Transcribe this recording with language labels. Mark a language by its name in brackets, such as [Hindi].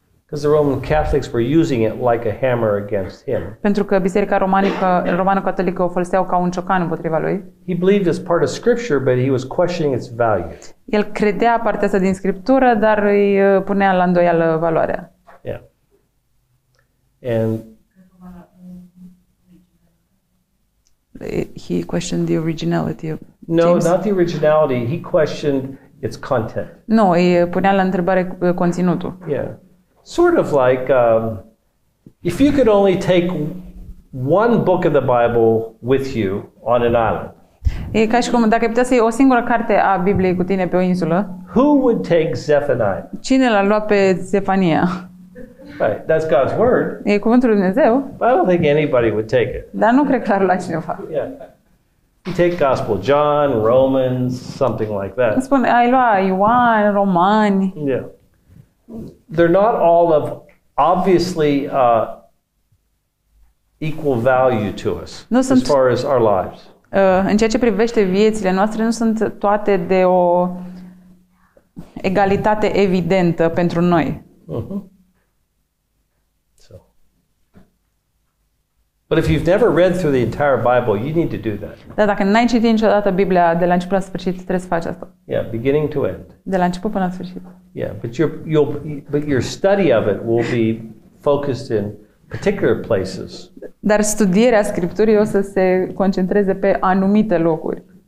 [English] Because the Roman Catholics were using it like a hammer against him. [Romanian] Pentru că biserica romano-catolică o foloseau ca un ciocan împotriva lui. [English] He believed it's part of scripture, but he was questioning its value. [Romanian] El credea partea asta din scriptură, dar îi punea la îndoială valoarea. [English] Yeah. And he questioned the originality of no, James. Not the originality, he questioned its content. [Romanian] Nu, îi punea la întrebare conținutul. [English] Yeah. Sort of like if you could only take one book of the Bible with you on an island. [Romanian] E ca și cum dacă ai putea să iei o singură carte a Bibliei cu tine pe o insulă. [English] Who would take Zephaniah? [Romanian] Cine l-a luat pe Zefania? [English] Right, that's God's word. [Romanian] E cuvântul lui Dumnezeu. [English] But I don't think anybody would take it. [Romanian] Dar nu cred că l-ar lua cineva. [English] Yeah. You take Gospel of John, Romans, something like that. [Romanian] Spune, ai lua Ioan, Romani. [English] Yeah. They're not all of obviously equal value to us [Romanian] nu [English] as far as our lives. [Romanian] În ceea ce privește viețile noastre, nu sunt toate de o egalitate evidentă pentru noi. [English] Mm-hmm. So. But if you've never read through the entire Bible, you need to do that. [Romanian] Dar dacă n-ai citit niciodată Biblia de la început la sfârșit, trebuie să faci asta. [English] Yeah, beginning to end. [Romanian] De la început până la sfârșit. [English] Yeah, but your study of it will be focused in particular places. [Romanian] Dar studierea scripturii o să se concentreze pe anumite locuri.